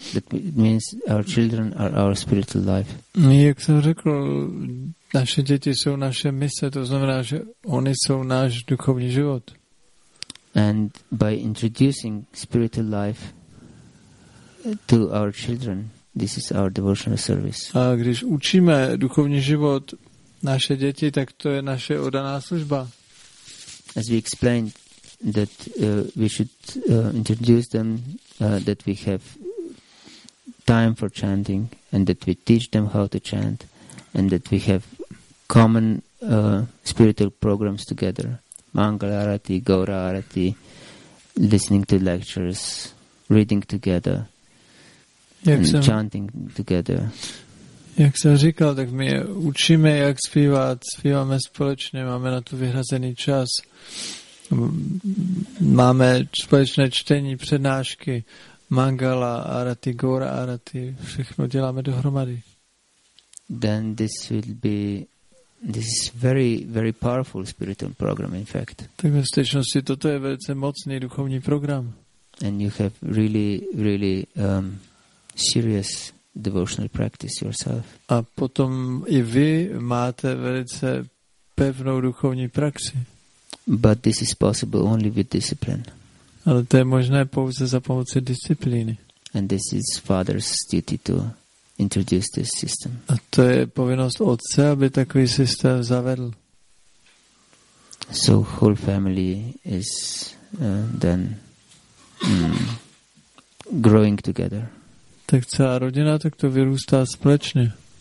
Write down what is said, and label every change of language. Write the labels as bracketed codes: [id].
[en] That means our children are our spiritual life. [cs] Jak jsem řekl, naše děti jsou naše mise, to znamená, že oni jsou náš duchovní život. [en] And by introducing spiritual life to our children, this is our devotional service. [cs] A když učíme duchovní život naše děti, tak to je naše oddaná služba. [en] As we explained that we should introduce them, that we have time for chanting, and that we teach them how to chant, and that we have common spiritual programs together. Mangala Arati, Gaura Arati, listening to lectures, reading together, and chanting together. [cs] Jak jsem říkal, tak my učíme, jak zpívat, zpíváme společně, máme na to vyhrazený čas, máme společné čtení, přednášky, Mangala Arati, Gaura Arati, všechno děláme dohromady. [en] Then this will be this is very, very powerful spiritual program, in fact. [cs] Tak ve skutečnosti toto je velice mocný duchovní program. [en] And you have really, really serious devotional practice yourself. [cs] A potom i vy máte velice pevnou duchovní praxi. [en] But this is possible only with discipline. [cs] Ale to je možné pouze za pomoci disciplíny. [en] And this is father's duty to introduce this system. [cs] A to je povinnost otce, aby takový systém zavedl. [en] So whole family is then growing together. [cs] Tak celá rodina tak to vyrůstá společně.